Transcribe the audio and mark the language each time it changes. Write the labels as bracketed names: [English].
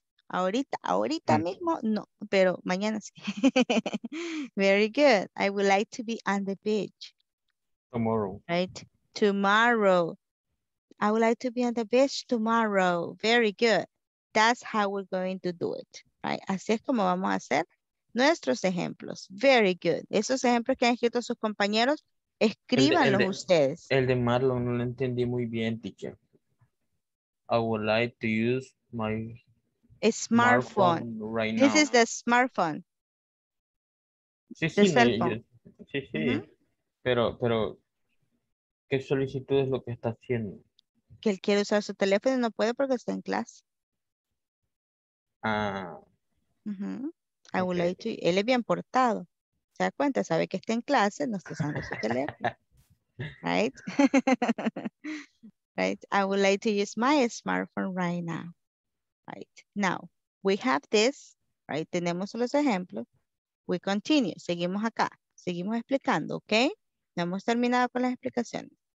[Spanish] Ahorita mismo, no, pero mañana sí. [English] Very good. I would like to be on the beach. Tomorrow. Right. Tomorrow. I would like to be on the beach tomorrow. Very good. That's how we're going to do it. Right. [Spanish] Así es como vamos a hacer nuestros ejemplos. [English] Very good. [Spanish] Esos ejemplos que han escrito sus compañeros, escríbanlos ustedes. El de Marlon no lo entendí muy bien, teacher. [English] I would like to use my smartphone right now. This is the smartphone. Sí, the cell phone. Mm-hmm. [Spanish] Pero, ¿qué solicitud es lo que está haciendo? Que él quiere usar su teléfono y no puede porque está en clase. Ah. Uh-huh. [English] I would like to. [Spanish] Él es bien portado. ¿Se da cuenta? Sabe que está en clase, no está usando su teléfono. [English] Right. Right. I would like to use my smartphone right now. Right. Now, we have this. Right. [Spanish] Tenemos los ejemplos. [English] We continue. [Spanish] Seguimos acá. Seguimos explicando. Ok. No hemos terminado con las explicaciones.